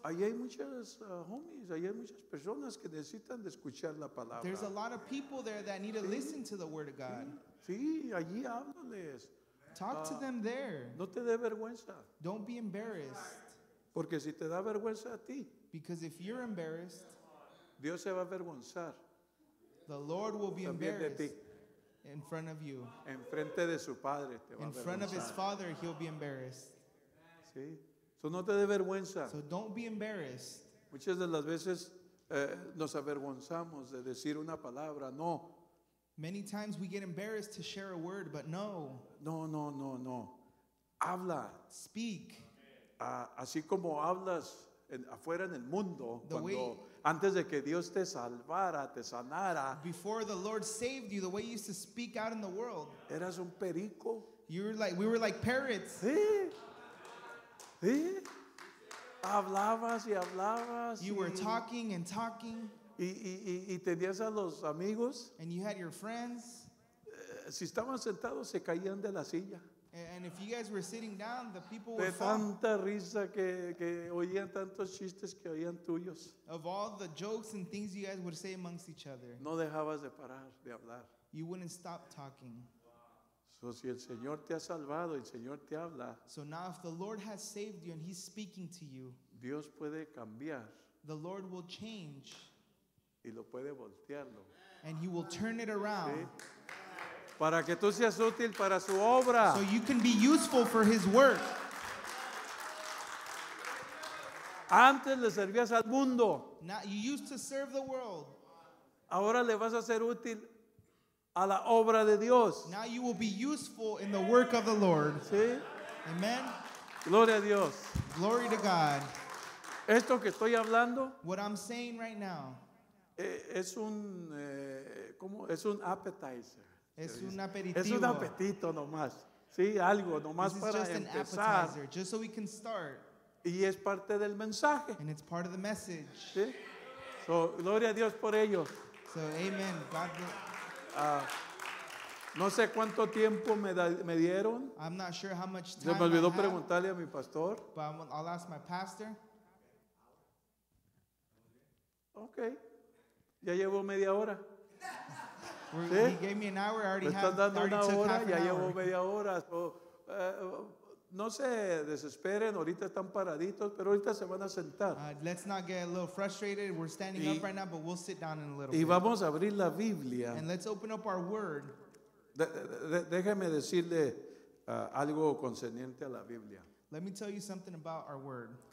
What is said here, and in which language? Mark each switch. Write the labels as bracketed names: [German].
[Spanish] allí hay muchas homies, allí hay muchas personas que necesitan de escuchar la palabra. [English] There's a lot of people there that need to listen to the word of God. [Spanish] Sí, allí háblales. [English] Talk to them there. [Spanish] No te dé vergüenza. [English] Don't be embarrassed. [Spanish] Porque si te da vergüenza a ti, [English] because if you're embarrassed, [Spanish] Dios se va a avergonzar. [English] The Lord will be embarrassed in front of you. [Spanish] En frente de su padre te va a avergonzar. [English] In front of his father, he'll be embarrassed. [Spanish] Sí. So no te dé vergüenza. [English] So don't be embarrassed. [Spanish] Muchas de las veces nos avergonzamos de decir una palabra. No. [English] Many times we get embarrassed to share a word, but no. [Spanish] No, no, no, no. Habla. [English] Speak. [Spanish] Así como hablas afuera en el mundo, antes de que Dios te salvara, te sanara. [English] Before the Lord saved you, the way you used to speak out in the world. [Spanish] Eras un perico. [English] We were like parrots. [Spanish] Sí. ¿Sí? Hablabas y hablabas. [English] You were talking and talking. [Spanish] Y tenías a los amigos. [English] And you had your friends. [Spanish] Si estaban sentados, se caían de la silla. [English] And if you guys were sitting down, the people [Spanish] de [English] would fall. [Spanish] De tanta risa que oían tantos chistes que oían tuyos. [English] Of all the jokes and things you guys would say amongst each other. [Spanish] No dejabas de parar de hablar. [English] You wouldn't stop talking. [Spanish] So, si el Señor te ha salvado, el Señor te habla, [English] so now if the Lord has saved you and he's speaking to you, [Spanish] Dios puede cambiar, [English] the Lord will change [Spanish] y lo puede voltearlo, [English] and he will turn it around, [Spanish] ¿sí? Para que tú seas útil para su obra. [English] So you can be useful for his work. [Spanish] Antes le servías al mundo. [English] Now, you used to serve the world. [Spanish] Ahora le vas a ser útil a la obra de Dios. [English] Now you will be useful in the work of the Lord. [Spanish] ¿Sí? Amen. Gloria a Dios. [English] Glory to God. [Spanish] Esto que estoy hablando, [English] what I'm saying right now, [Spanish] es un ¿cómo? Es un appetizer. Es un aperitivo. Es un apetito nomás. Sí, algo nomás para empezar. [English] This is just an appetizer, just so we can start. [Spanish] Y es parte del mensaje. [English] And it's part of the message. [Spanish] ¿Sí? So, gloria a Dios por ello. [English] So, amen. God bless. [Spanish] No sé cuánto tiempo me dieron. [English] I'm not sure how much time. [Spanish] Se me olvidó [English] I have, [Spanish] preguntarle a mi pastor. [English] But I'll ask my pastor. [Spanish] Okay. Ya llevo media hora. [English] ¿Sí? He gave me an hour. I already [Spanish] me [English] have. [Spanish] Dando [English] already [Spanish] una [English] took [Spanish] hora, [English] half an [Spanish] ya [English] hour. [Spanish] Llevo media hora. So, no se desesperen. Ahorita están paraditos, pero ahorita se van a sentar. [English] Let's not get a little frustrated. We're standing up right now, but we'll sit down in a little [Spanish] y [English] bit. [Spanish] Y vamos a abrir la Biblia. [English] And let's open up our Word. [Spanish] Déjeme decirle algo concerniente a la Biblia. [English] Let me tell you something about our Word.